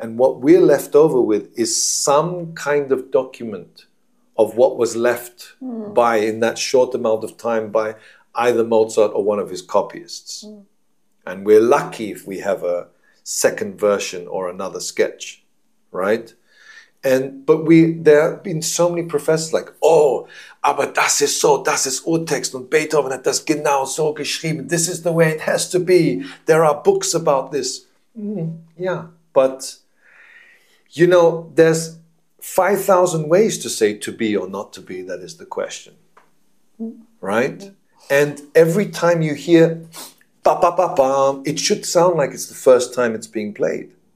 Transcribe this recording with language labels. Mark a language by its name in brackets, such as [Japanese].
[English] And what we're left over with is some kind of document of what was left by, in that short amount of time, by either Mozart or one of his copyists. Mm. And we're lucky if we have a second version or another sketch, right? And but there have been so many professors like, oh, [German] aber das ist Urtext, und Beethoven hat das genau so geschrieben. [English] This is the way it has to be. There are books about this. Yeah, but, you know, there's 5,000 ways to say to be or not to be. That is the question, right? Mm-hmm. And every time you hear ba ba ba ba, it should sound like it's the first time it's being played.